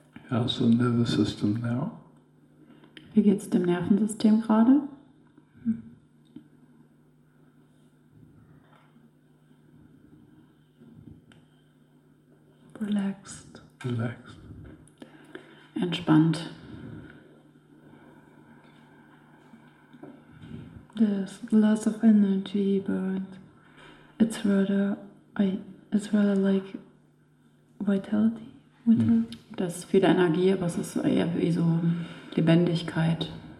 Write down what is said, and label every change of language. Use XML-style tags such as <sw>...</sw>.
<en>How's the nervous system now?</en> <de>Wie geht's dem Nervensystem gerade?</de> <en>Relaxed. Relaxed.</en> <de>Entspannt.</de> <en>There's lots of energy, but it's rather like vitality.</en> <de>Das ist viel Energie, aber es ist eher wie so Lebendigkeit.</de>